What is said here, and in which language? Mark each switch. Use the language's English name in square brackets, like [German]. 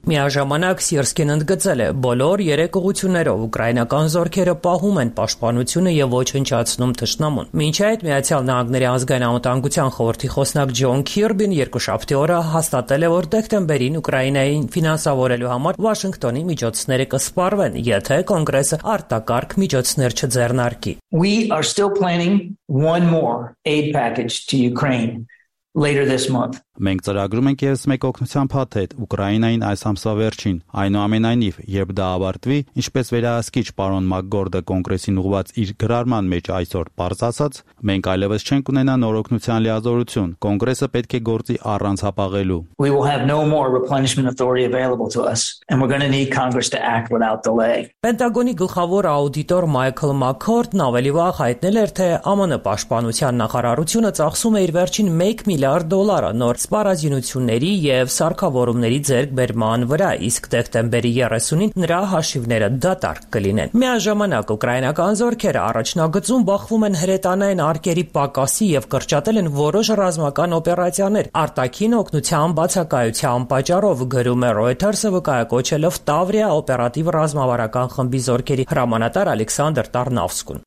[Armenian] Միաժամանակ Սիրսկին ընդգծել է, բոլոր երեք ուղություններով ուկրաինական զորքերը պահում են պաշտպանությունը եւ ոչնչացնում թշնամուն։ Մինչ այդ Միացյալ Նահանգների ազգային անվտանգության խորհրդի խոսնակ Ջոն Քիրբին 2-7 օրը հաստատել է, որ դեկտեմբերին Ուկրաինային ֆինանսավորելու համար Վաշինգտոնի միջոցները կսպառվեն, եթե Կոնգրեսը արտակարգ միջոցներ չձեռնարկի։ [English] We are still planning one more aid package to Ukraine later this month. [Armenian] Մենք ծրագրում ենք ես մեկ օգնության փաթեթ Ուկրաինային այս ամսվա վերջին։ Այնուամենայնիվ, երբ դա ավարտվի, ինչպես վերահսկիչ պարոն Մակգորդը կոնգրեսին ուղված իր գրառման մեջ այսօր պարզացած, մենք այլևս չենք ունենա նոր օգնության լիազորություն։ Կոնգրեսը պետք է գործի առանց հապաղելու։ [English] We will have no more replenishment authority available to us, and we're going to need Congress to act without delay. [Armenian] Պենտագոնի գլխավոր աուդիտոր Մայքլ Մակգորդն ավելի վաղ հայտնել էր, թե ԱՄՆ պաշտպանության նախարարությունը ծախսում է իր վերջին 1 միլիարդ դոլարը սպառազինությունների եւ սարքավորումների ձեռքբերման վրա, իսկ դեկտեմբերի 30-ին նրա հաշիվները դատարկ կլինեն։ Միաժամանակ ուկրաինական զորքերը առաջնագծում բախվում են հրետանային արկերի պակասի եւ կրճատել են որոշ ռազմական օպերացիաներ արտաքին օգնության բացակայության պատճառով, գրում է Reuters-ը, վկայակոչելով Տավրիա օպերատիվ ռազմավարական խմբի զորքերի հրամանատար Ալեքսանդր Տարնավսկուն։